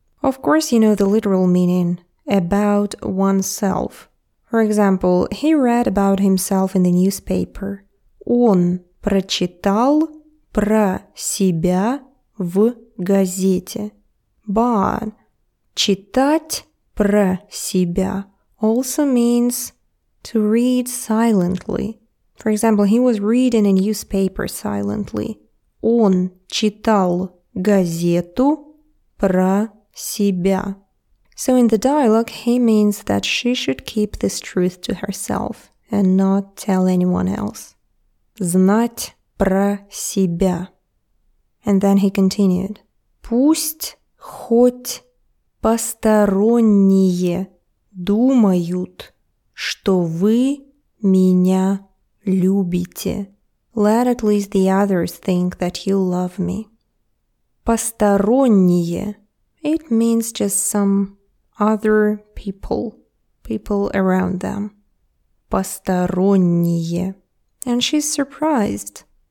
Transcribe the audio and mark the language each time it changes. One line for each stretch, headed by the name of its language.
English: Of course, you know the literal meaning, about oneself. For example, he read about himself in the newspaper.
Russian: Он прочитал про себя в газете.
English: But читать про себя also means to read silently. For example, he was reading a newspaper silently.
Russian: Он читал газету про себя.
English: So in the dialogue, he means that she should keep this truth to herself and not tell anyone else.
Russian: Знать про себя.
English: And then he continued.
Russian: Пусть хоть посторонние думают, что вы меня любите.
English: Let at least the others think that you love me.
Russian: Посторонние.
English: It means just some other people, people around them. Посторонние. And she's surprised.